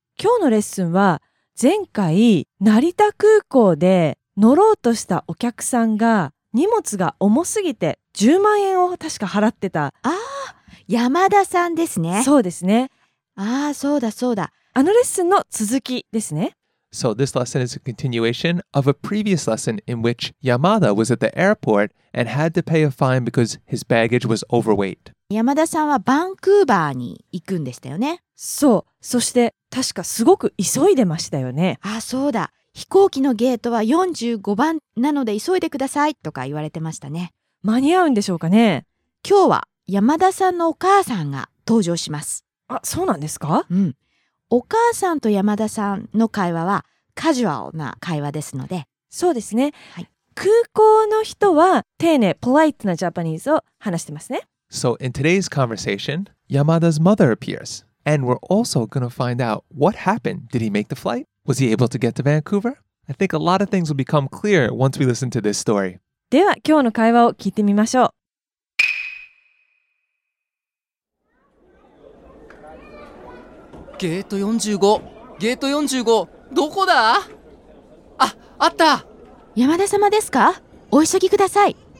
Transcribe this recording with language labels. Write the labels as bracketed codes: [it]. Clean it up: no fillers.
[ja] 今日のレッスンは、前回成田空港で乗ろうとしたお客さんが荷物が重すぎて10万円を確か払ってた。ああ、山田さんですね。そうですね。ああ、そうだそうだ、あのレッスンの続きですね。 [en] So this lesson is a continuation of a previous lesson in which Yamada was at the airport and had to pay a fine because his baggage was overweight。 [ja] 山田さんはバンクーバーに行くんでしたよね。そう、そして確かすごく急いでましたよね。あ、そうだ、飛行機のゲートは45番なので急いでくださいとか言われてましたね。間に合うんでしょうかね。今日は山田さんのお母さんが登場します。あ、そうなんですか。うん、お母さんと山田さんの会話はカジュアルな会話ですので。そうですね、はい、空港の人は丁寧、ポライトなジャパニーズを話してますね。 [en] So in today's conversation, Yamada's mother appears. And we're also going to find out what happened. Did he make the flight? Was he able to get to Vancouver? I think a lot of things will become clear once we listen to this story. [ja] では今日の会話を聞いてみましょう。ゲート45、ゲート45、どこだ？あ、あった！山田様ですか？お急ぎください。